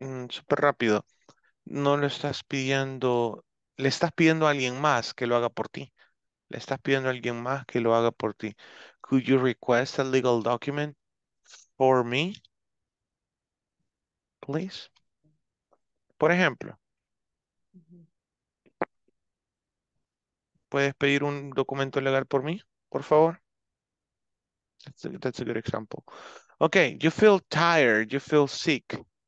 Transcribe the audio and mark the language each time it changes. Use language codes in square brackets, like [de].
[es] Súper rápido, no lo estás pidiendo, le estás pidiendo a alguien más que lo haga por ti. Le estás pidiendo a alguien más que lo haga por ti. [en] Could you request a legal document for me, please? [es] Por ejemplo, ¿puedes pedir un documento legal por mí, por favor? [en] That's a good example. Okay, you feel tired, you feel sick.